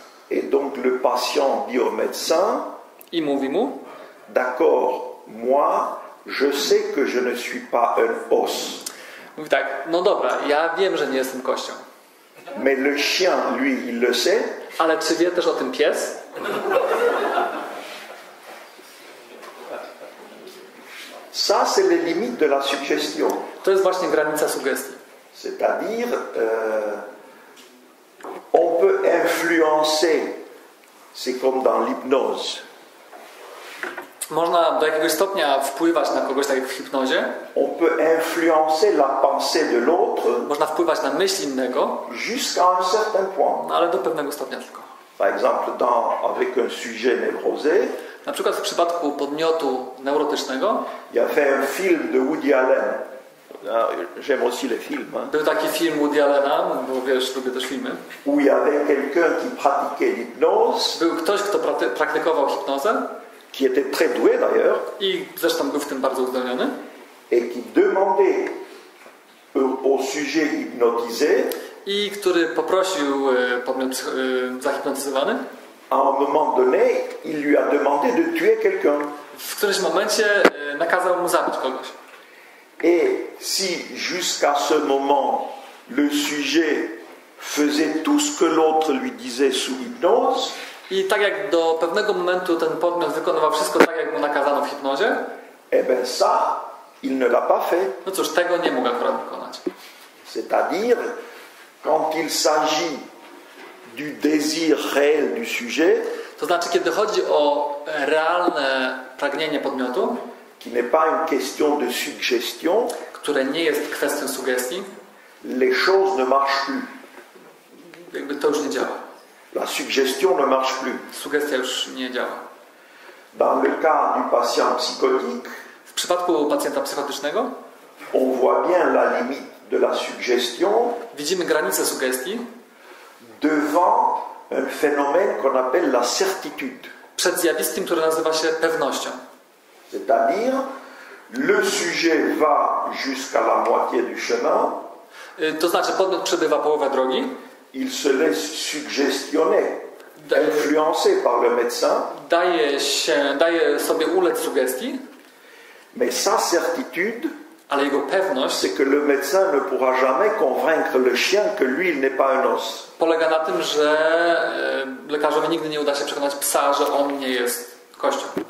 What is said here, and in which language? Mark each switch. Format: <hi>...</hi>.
<fr>Et donc le patient dit au médecin.</fr> <pl>I mówi mu.</pl> <fr>D'accord, moi, je sais que je ne suis pas un os.</fr> <pl>Mówi tak, no dobra, ja wiem, że nie jestem kością.</pl> <fr>Mais le chien, lui, il le sait.</fr> <pl>Ale czy wie też o tym pies?</pl> <fr>Ça, c'est les limites de la suggestion.</fr> <pl>To jest właśnie granica sugestii.</pl> <fr>C'est-à-dire, on peut influencer. C'est comme dans l'hypnose.</fr> <pl>Można do jakiegoś stopnia wpływać na kogoś, tak jak w hipnozie.</pl> <fr>On peut influencer la pensée de l'autre.</fr> <pl>Można wpływać na myśl innego.</pl> <fr>Jusqu'à un certain point.</fr> <pl>No, ale do pewnego stopnia tylko.</pl> <fr>Par exemple, avec un sujet névrosé.</fr> <pl>Na przykład w przypadku podmiotu neurotycznego.</pl> <fr>Ja fait un film de Woody Allen. J'aime aussi les films. Hein.</fr> <pl>Był taki film Woody Allena, bo wiesz, lubię też filmy.</pl> <fr>Où il y avait quelqu'un qui pratiquait l'hypnose.</fr> <pl>Był ktoś, kto praktykował hipnozę.</pl> <fr>Qui était très doué d'ailleurs.</fr> <pl>I zresztą był w tym bardzo uzdolniony.</pl> <fr>Et qui demandait au sujet hypnotisé.</fr> <pl>I który poprosił podmiot zahipnotyzowany.</pl> <fr>À un moment donné, il lui a demandé de tuer quelqu'un.</fr> <pl>W którymś momencie nakazał mu zabić kogoś.</pl> <fr>Et si jusqu'à ce moment le sujet faisait tout ce que l'autre lui disait sous hypnose.</fr> <pl>I tak jak do pewnego momentu ten podmiot wykonywał wszystko tak, jak mu nakazano w hipnozie.</pl> <fr>Eh ben ça, il ne l'a pas fait.</fr> <pl>No cóż, tego nie mógł akurat wykonać.</pl> <fr>C'est-à-dire, quand il s'agit du désir réel du sujet.</fr> <pl>To znaczy, kiedy chodzi o realne pragnienie podmiotu.</pl> <fr>Qui n'est pas une question de suggestion.</fr> <pl>Które nie jest kwestią sugestii.</pl> <fr>Les choses ne marchent plus.</fr> <pl>Jakby to już nie działa.</pl> <fr>La suggestion ne marche plus.</fr> <pl>Sugestia już nie działa.</pl> <fr>Dans le cas du patient psychotique,</fr> <pl>w przypadku pacjenta psychotycznego,</pl> <fr>on voit bien la limite de la suggestion.</fr> <pl>Widzimy granicę sugestii.</pl> <fr>Devant un phénomène qu'on appelle la certitude.</fr> <pl>Przed zjawiskiem, które nazywa się pewnością.</pl> <fr>C'est-à-dire, le sujet va jusqu'à la moitié du chemin.</fr> <pl>To znaczy, podmiot przebywa połowę drogi.</pl> <fr>Il se laisse suggestionner, influencer par le médecin.</fr> <pl>Daje sobie ulec sugestii.</pl> <fr>Mais sa certitude,</fr> <pl>ale jego pewność,</pl> <fr>c'est que le médecin ne pourra jamais convaincre le chien que lui il n'est pas un os.</fr> <pl>Polega na tym, że lekarzowi nigdy nie uda się przekonać psa, że on nie jest kością.</pl>